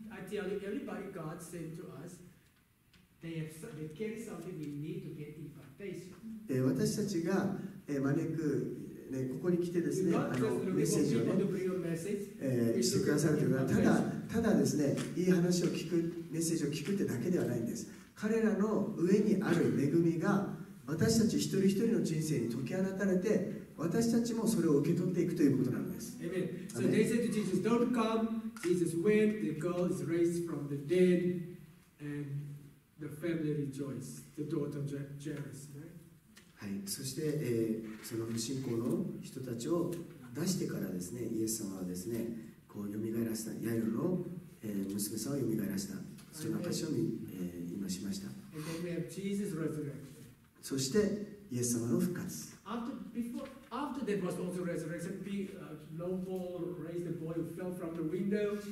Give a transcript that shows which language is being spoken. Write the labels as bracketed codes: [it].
[ja] 私たちが招く、ね、ここに来てですね、メッセージを、ね、してくださるというのは、ただですね、いい話を聞く、メッセージを聞くってだけではないんです。彼らの上にある恵みが私たち一人一人の人生に解き放たれて、私たちもそれを受け取っていくということなんです。 [en] So they said to Jesus, don't come. Jesus went, the girl is raised from the dead, and the family rejoiced, the daughter of Jairus, [ja] はい。そして、その不信仰の人たちを出してからですね、イエス様はですね、こう蘇らせた、ヤイロの、娘さんを蘇らせた、その証を、今しました。 [en] And then we have Jesus resurrection. [ja] そして、イエス様の復活。 [en] After there was also resurrection, Paul raised the boy who fell from the window.